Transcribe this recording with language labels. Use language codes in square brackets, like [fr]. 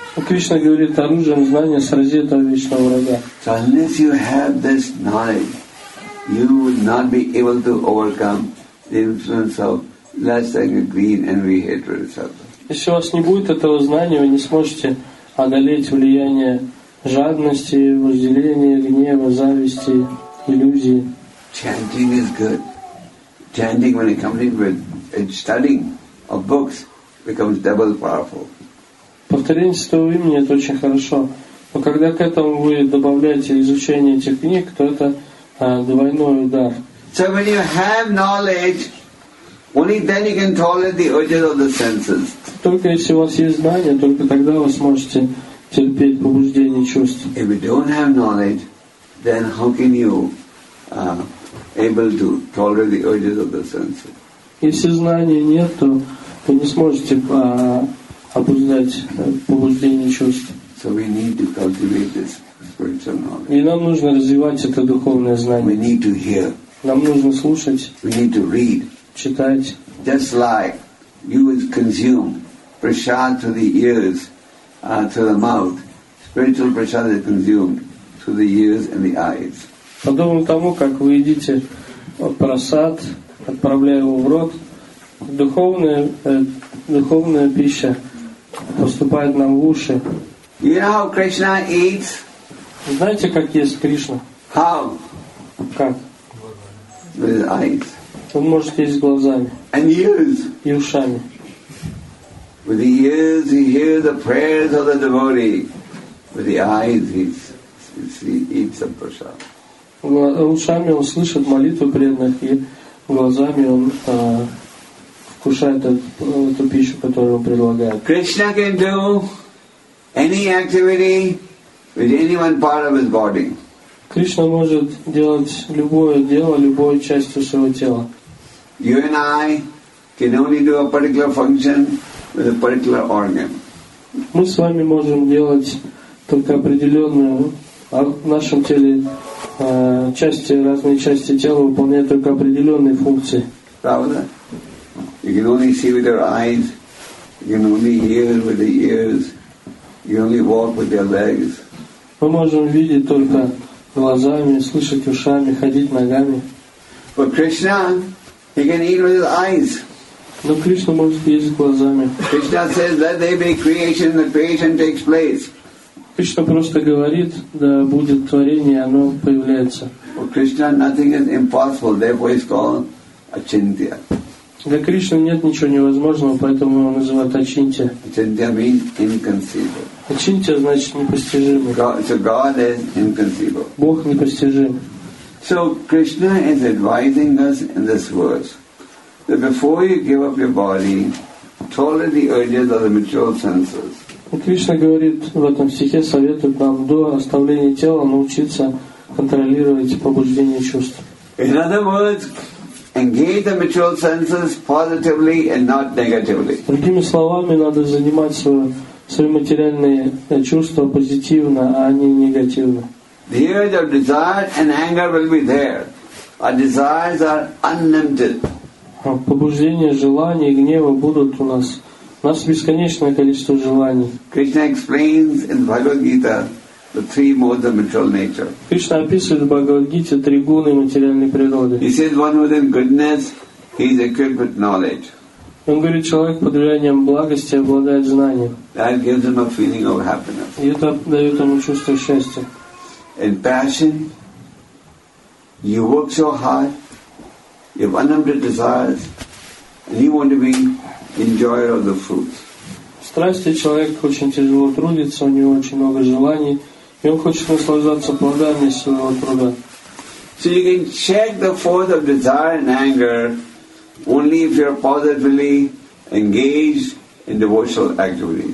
[ru] Кришна говорит, оружием знания срази этого вечного врага. [en] So unless you have this knowledge, you will not be able to overcome the influence of lust, anger, greed, envy, hatred, etc. [ru] Если у вас не будет этого знания, вы не сможете одолеть влияние жадности, вожделения, гнева, зависти, иллюзии. [en] Chanting is good. Chanting, when accompanied with and studying of books, becomes double powerful. [ru] Повторение святого имени — это очень хорошо. Но когда к этому вы добавляете изучение этих книг, то это двойной удар. [en] So when you have knowledge, only then you can tolerate the urges of the senses. [ru] Только если у вас есть знание, только тогда вы сможете терпеть побуждение чувств. [en] If you don't have knowledge, then how can you able to tolerate the urges of the senses? [ru] Если знания нет, то вы не сможете обуздать побуждение чувств. [en] So we need to cultivate this spiritual knowledge. [ru] И нам нужно развивать это духовное знание. [en] We need to hear. [ru] Нам нужно слушать. [en] We need to read. [ru] Читать. [en] Just like you would consume prasad through the ears, through the mouth. Spiritual prasad is consumed through the ears and the eyes. [ru] Подобно тому, как вы едите прасад, отправляя его в рот, духовная пища поступает нам в уши. [en] You know how Krishna eats? [ru] Знаете, как ест Кришна? [en] How? [ru] Как? [en] With eyes. [ru] Он может есть глазами. [en] And ears. [ru] И ушами. [en] With the ears he hears the prayers of the devotee. With the eyes he eats the prasad. [ru] Ушами он слышит молитву преданных, и глазами он вкушает эту пищу, которую он предлагает. [en] Krishna can do any activity with any one part of his body. [ru] Кришна может делать любое дело любой частью своего тела. [en] You and I can only do a particular function with a particular organ. [ru] Мы с вами можем делать только определенную в нашем теле части, разные части тела выполняют только определенные функции. Правда? [en] You can only see with your eyes, you can only hear with your ears, you can only walk with your legs. [ru] Мы можем видеть только глазами, слышать ушами, ходить ногами. [en] But Krishna, he can eat with his eyes. [ru] Но Кришна может есть глазами. [en] Krishna says, let there be creation, the creation takes place. [ru] Кришна просто говорит, да будет творение, оно появляется. [en] For Krishna, nothing is impossible, therefore it's called Achintya. [ru] Для Кришны нет ничего невозможного, поэтому его называют Ачинтья. [en] Ачинтья means inconceivable. [ru] Ачинтья значит непостижимый. [en] So God is inconceivable. [ru] Бог непостижим. [en] So Krishna is advising us in this verse that before you give up your body, tolerate the urges of the material senses. [ru] Кришна говорит в этом стихе, советует нам до оставления тела научиться контролировать побуждения чувств. [en] In other words, engage the material senses positively and not negatively. [ru] Другими словами, надо занимать свои материальные чувства позитивно, а не негативно. [en] The urge of desire and anger will be there. Our desires are unlimited. [ru] Побуждения, желания, гнева будут у нас. У нас бесконечное количество желаний. [en] Krishna explains in Bhagavad Gita the three modes of material nature. [ru] Кришна описывает в Бхагавад-гите три гуны материальной природы. [en] He says one within goodness, he is equipped with knowledge. [ru] Он говорит, человек под влиянием благости обладает знанием. [en] That gives him a feeling of happiness. [ru] И это дает ему чувство счастья. [en] In passion, you work so hard, you have unlimited desires, and you want to be enjoyer of the fruits. [ru] В страсти человек очень тяжело трудится, у него очень много желаний. И он хочет наслаждаться плодами своего труда. [en] So you can check the force of desire and anger only if you're positively engaged in devotional activities.